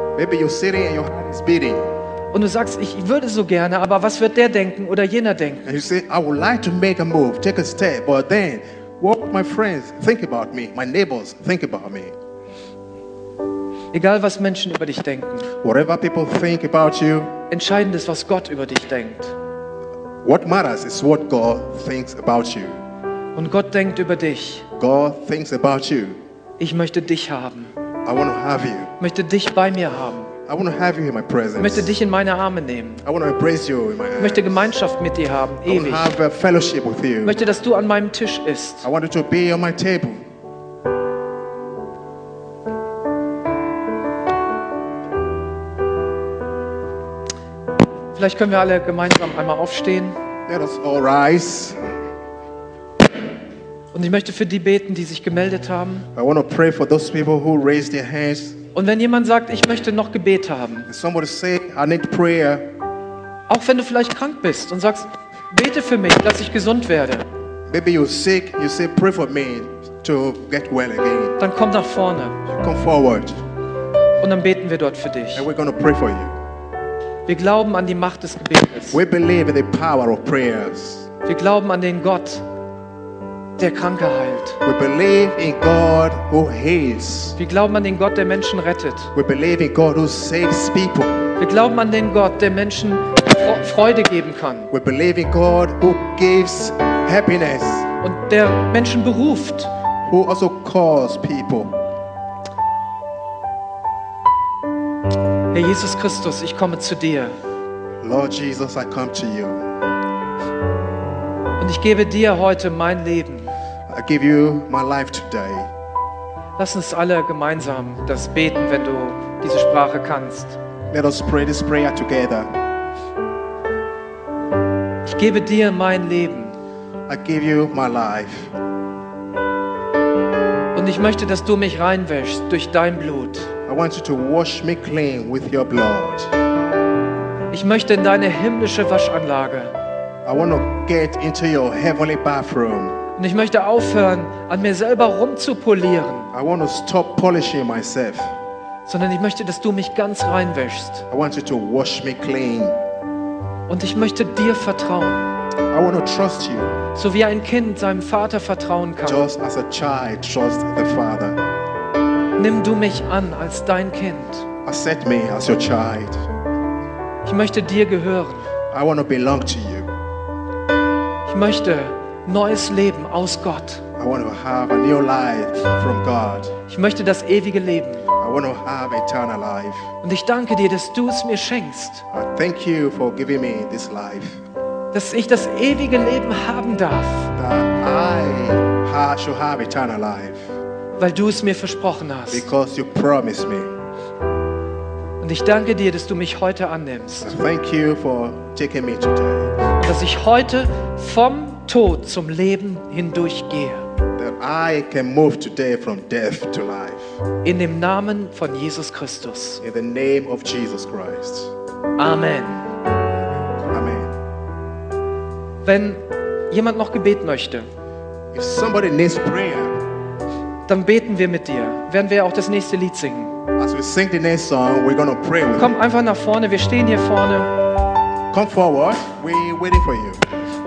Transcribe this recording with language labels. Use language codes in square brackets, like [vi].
[en] Maybe you're sitting and your heart is beating. [de] Und du sagst, ich würde so gerne, aber was wird der denken oder jener denken? [en] And you say, I would like to make a move, take a step, but then, what my friends think about me, my neighbors think about me. [de] Egal, was Menschen über dich denken. [en] Whatever people think about you. [de] Entscheidend ist, was Gott über dich denkt. [en] What matters is what God thinks about you. [de] Und Gott denkt über dich. [en] God thinks about you. [de] Ich möchte dich haben. [en] I want to have you. [de] Ich möchte dich bei mir haben. [en] I want to have you in my presence. [de] Ich möchte dich in meine Arme nehmen. [en] I want to embrace you in my arms. [de] Ich möchte Gemeinschaft mit dir haben, ewig. [en] I want to have a fellowship with you. [de] Ich möchte, dass du an meinem Tisch isst. [en] I want you to be on my table. [de] Vielleicht können wir alle gemeinsam einmal aufstehen. [en] Let us all rise. [de] Und ich möchte für die beten, die sich gemeldet haben. [en] I want to pray for those people who raised their hands. [de] Und wenn jemand sagt, ich möchte noch Gebet haben, [en] somebody say, I need prayer. [de] Auch wenn du vielleicht krank bist und sagst, bete für mich, dass ich gesund werde. [en] Maybe you're sick, you say, pray for me to get well again. [de] Dann komm nach vorne. [en] Come forward. [de] Und dann beten wir dort für dich. [en] And we're going to pray for you. [de] Wir glauben an die Macht des Gebetes. [en] We believe in the power of prayers. [de] Wir glauben an den Gott, der Kranke heilt. [en] We believe in God who heals. [de] Wir glauben an den Gott, der Menschen rettet. [en] We believe in God who saves people. [de] Wir glauben an den Gott, der Menschen Freude geben kann. [en] We believe in God who gives happiness. [de] Und der Menschen beruft. [en] Who also calls people. [de] Herr Jesus Christus, ich komme zu dir. [en] Lord Jesus, I come to you. [de] Und ich gebe dir heute mein Leben. [en] I give you my life today. [de] Lass uns alle gemeinsam das beten, wenn du diese Sprache kannst. [en] Let us pray this prayer together. [de] Ich gebe dir mein Leben. [en] I give you my life. [de] Und ich möchte, dass du mich reinwäschst durch dein Blut. [en] I want you to wash me clean with your blood. [de] Ich möchte in deine himmlische Waschanlage. [en] I want to get into your heavenly bathroom. [de] Und ich möchte aufhören, an mir selber rumzupolieren. [en] I want to stop polishing myself. [de] Sondern ich möchte, dass du mich ganz reinwäschst. [en] I want you to wash me clean. [de] Und ich möchte dir vertrauen. [en] I want to trust you. [de] So wie ein Kind seinem Vater vertrauen kann. [en] Just as a child trusts the father. [de] Nimm du mich an als dein Kind. [en] Accept me as your child. [de] Ich möchte dir gehören. [en] I want to belong to you. [de] Ich möchte neues Leben aus Gott. [en] I want to have a new life from God. [de] Ich möchte das ewige Leben. [en] I want to have eternal life. [de] Und ich danke dir, dass du es mir schenkst. [en] I thank you for giving me this life. [de] Dass ich das ewige Leben haben darf. [en] That I shall have eternal life. [de] Weil du es mir versprochen hast. [en] Because you promised me. [de] Und ich danke dir, dass du mich heute annimmst. [en] I thank you for taking me today. [de] Dass ich heute vom Tod zum Leben hindurchgehe. [en] That I can move today from death to life. [de] In dem Namen von Jesus Christus. [en] In the name of Jesus Christ. [de] Amen. [en] Amen. [de] Wenn jemand noch Gebet möchte, [en] if somebody needs prayer, [de] dann beten wir mit dir. Werden wir auch das nächste Lied singen. [en] As we sing the next song, we're gonna pray with [de] Komm einfach nach vorne, wir stehen hier vorne. [en] Come forward, we're waiting for you.